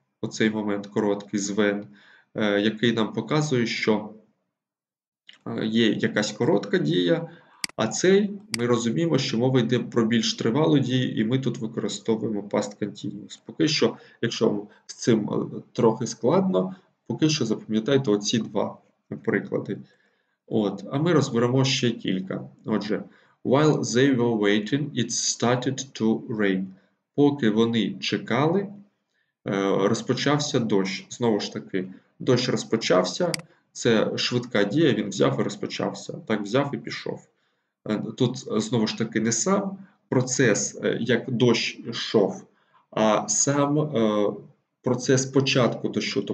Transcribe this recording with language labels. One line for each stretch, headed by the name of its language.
Ukrainian: Оцей момент короткий, звен, який нам показує, що є якась коротка дія, а цей, ми розуміємо, що мова йде про більш тривалу дію, і ми тут використовуємо past continuous. Поки що, якщо з цим трохи складно, поки що запам'ятайте оці два приклади. От, а ми розберемо ще кілька. Отже,
English: while they were waiting, it started to rain.
Ukrainian: Поки вони чекали, розпочався дощ. Знову ж таки, дощ розпочався, це швидка дія, він взяв і розпочався. Так, взяв і пішов. Тут, знову ж таки, не сам процес, як дощ йшов, а сам процес початку дощу.